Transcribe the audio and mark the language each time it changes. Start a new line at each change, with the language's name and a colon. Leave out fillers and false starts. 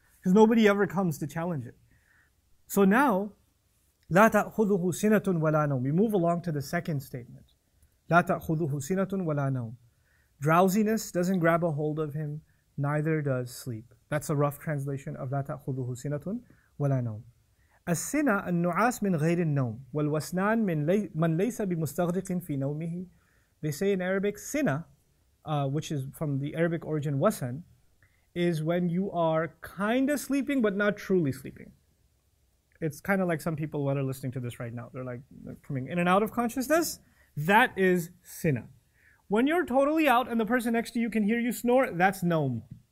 English: Because nobody ever comes to challenge it. So now,
Arabic: لا تأخذه سنة ولا نوم.
English: We move along to the second statement.
Arabic: لا تأخذه سنة ولا نوم.
English: Drowsiness doesn't grab a hold of him, neither does sleep. That's a rough translation of
Arabic: لا تأخذه سنة ولا نوم. السنة النعاس من غير النوم والوسنان من ليس بمستغرق في نومه.
English: They say in Arabic, سنة, which is from the Arabic origin wasan, is when you are kind of sleeping but not truly sleeping. It's kind of like some people that are listening to this right now. They're like coming in and out of consciousness. That is sinna. When you're totally out and the person next to you can hear you snore, that's noam.